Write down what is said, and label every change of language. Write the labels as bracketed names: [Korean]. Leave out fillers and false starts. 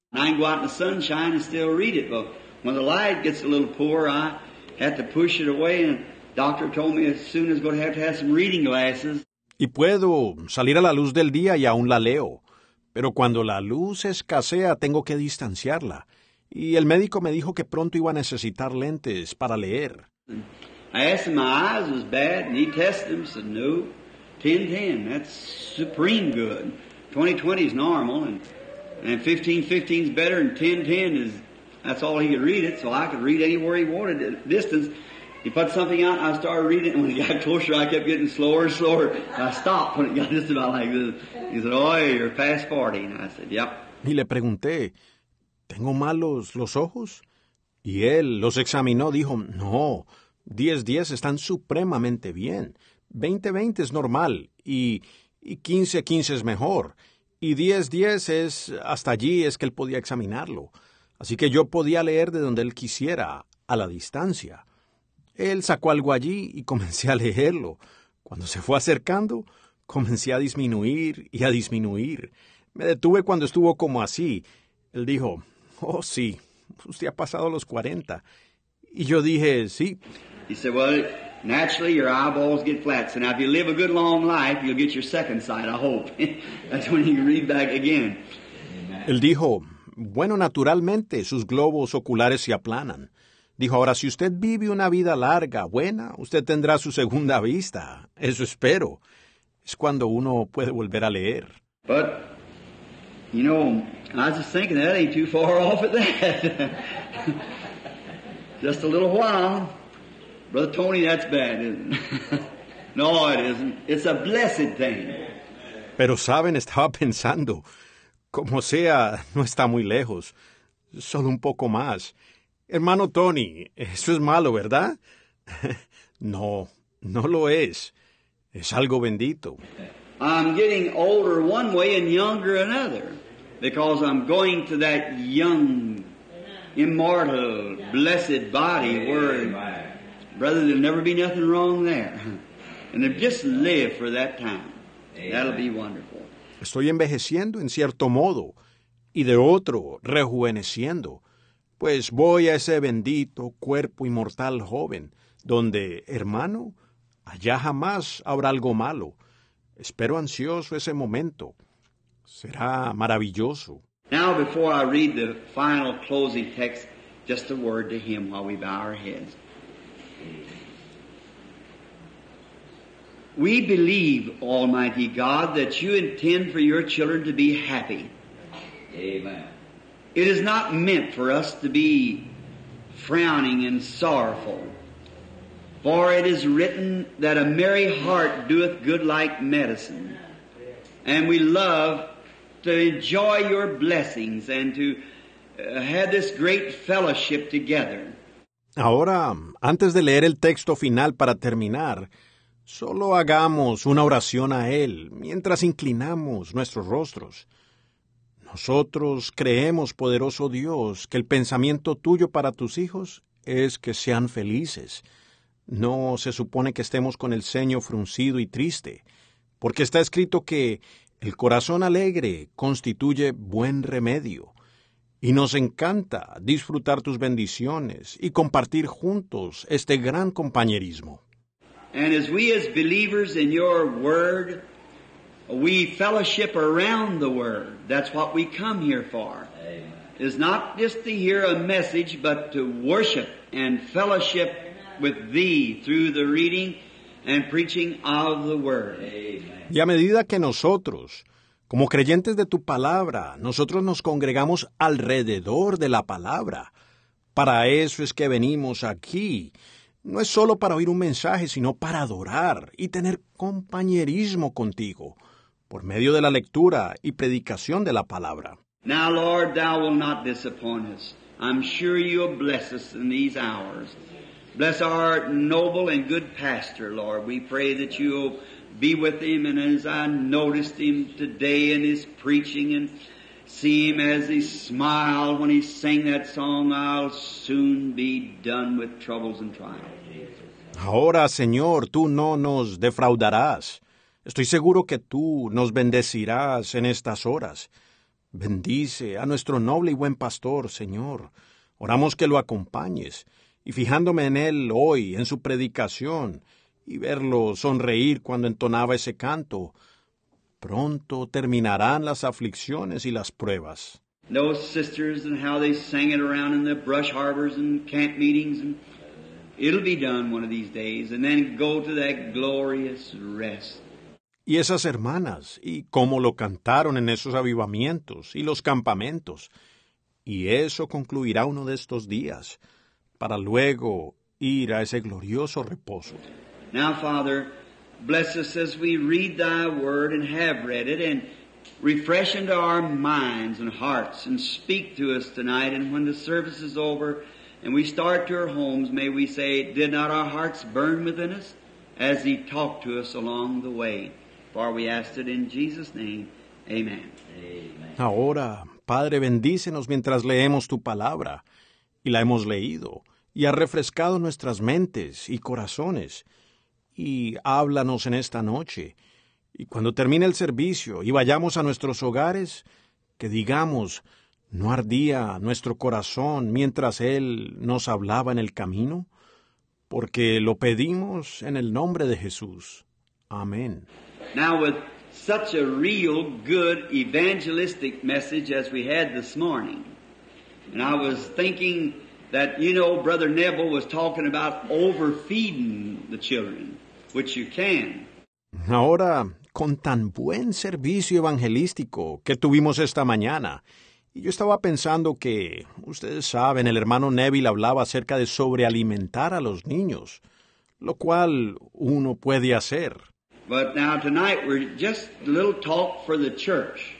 [English] I can go out in the sunshine and still read it, but when the light gets a little poor, I have to push it away, and the doctor told me as soon as I'm going to have some reading glasses. [Spanish] Y puedo salir a la luz del día y aún la leo, pero cuando la luz escasea, tengo que distanciarla. Y el médico me dijo que pronto iba a necesitar lentes para leer. [English] I asked him, my eyes was bad, and he tested them, said, no, 10-10, that's supreme good. 20-20 is normal, and 15-15 is better, and 10-10 is, that's all he could read it, so I could read anywhere he wanted at distance. He put something out, and I started reading it, and when it got closer, I kept getting slower and slower. I stopped when it got just about like this. He said, oh, you're past 40, and I said, yep. [Spanish] Y le pregunté, ¿tengo malos los ojos? Y él los examinó, dijo, no, 10-10 están supremamente bien. 20-20 es normal, y 15-15 es mejor. Y 10-10 es hasta allí es que él podía examinarlo. Así que yo podía leer de donde él quisiera, a la distancia. Él sacó algo allí y comencé a leerlo. Cuando se fue acercando, comencé a disminuir y a disminuir. Me detuve cuando estuvo como así. Él dijo, oh, sí, usted ha pasado los 40. Y yo dije, sí. [English] He said, well, naturally your eyeballs get flat. So now if you live a good long life, you'll get your second sight, I hope. That's when you read back again. [Spanish] Él dijo, bueno, naturalmente sus globos oculares se aplanan. Dijo, ahora si usted vive una vida larga, buena, usted tendrá su segunda vista. Eso espero. Es cuando uno puede volver a leer. [English] But, you know, I was just thinking that ain't too far off of that. Just a little while. Brother Tony, that's bad, isn't it? No, it isn't. It's a blessed thing. [Spanish] Pero saben, estaba pensando, como sea, no está muy lejos, solo un poco más. Hermano Tony, eso es malo, ¿verdad? No, no lo es. Es algo bendito. [English] I'm getting older one way and younger another, because I'm going to that young, immortal, blessed body where brother, there'll never be nothing wrong there. And if just live for that time, that'll be wonderful. [Spanish] Estoy envejeciendo en cierto modo, y de otro, rejuveneciendo. Pues voy a ese bendito cuerpo inmortal joven, donde, hermano, allá jamás habrá algo malo. Espero ansioso ese momento. Será maravilloso. [English] Now, before I read the final closing text, just a word to him while we bow our heads. We believe, Almighty God, that you intend for your children to be happy. Amen. It is not meant for us to be frowning and sorrowful, for it is written that a merry heart doeth good like medicine. Amen. And we love to enjoy your blessings and to have this great fellowship together. [Spanish] Ahora, antes de leer el texto final para terminar, solo hagamos una oración a Él mientras inclinamos nuestros rostros. Nosotros creemos, poderoso Dios, que el pensamiento tuyo para tus hijos es que sean felices. No se supone que estemos con el ceño fruncido y triste, porque está escrito que el corazón alegre constituye buen remedio. Y nos encanta disfrutar tus bendiciones y compartir juntos este gran compañerismo. [English] And as we as believers in your word, we fellowship around the word. That's what we come here for. It's not just to hear a message, but to worship and fellowship with thee through the reading and preaching of the word. [Spanish] Y a medida que nosotros, como creyentes de tu palabra, nosotros nos congregamos alrededor de la palabra. Para eso es que venimos aquí. No es solo para oír un mensaje, sino para adorar y tener compañerismo contigo por medio de la lectura y predicación de la palabra. [English] Now, Lord, thou will not disappoint us. I'm sure you'll bless us in these hours. Bless our noble and good pastor, Lord. We pray that you'll be with him, and as I noticed him today in his preaching and see him as he smiled when he sang that song, I'll soon be done with troubles and trials. [Spanish] Ahora, Señor, tú no nos defraudarás. Estoy seguro que tú nos bendecirás en estas horas. Bendice a nuestro noble y buen pastor, Señor. Oramos que lo acompañes. Y fijándome en él hoy, en su predicación, y verlo sonreír cuando entonaba ese canto, pronto terminarán las aflicciones y las pruebas. [English] Those sisters and how they sang it around in the brush harbors and camp meetings. And it'll be done one of these days, and then go to that glorious rest. [Spanish] Y esas hermanas, y cómo lo cantaron en esos avivamientos y los campamentos. Y eso concluirá uno de estos días, para luego ir a ese glorioso reposo. [English] Now, Father, bless us as we read thy word and have read it, and refresh into our minds and hearts, and speak to us tonight. And when the service is over and we start to our homes, may we say, did not our hearts burn within us as he talked to us along the way? For we ask it in Jesus' name. Amen. [Spanish] Ahora, Padre, bendícenos mientras leemos tu palabra. Y la hemos leído, y ha refrescado nuestras mentes y corazones. Y háblanos en esta noche. Y cuando termine el servicio y vayamos a nuestros hogares, que digamos, ¿no ardía nuestro corazón mientras Él nos hablaba en el camino? Porque lo pedimos en el nombre de Jesús. Amén. [English] Now with such a real good evangelistic message as we had this morning, and I was thinking that, you know, Brother Neville was talking about overfeeding the children, which you can. [Spanish] Ahora, con tan buen servicio evangelístico que tuvimos esta mañana, y yo estaba pensando que, ustedes saben, el hermano Neville hablaba acerca de sobrealimentar a los niños, lo cual uno puede hacer. [English] But now tonight we're just a little talk for the church.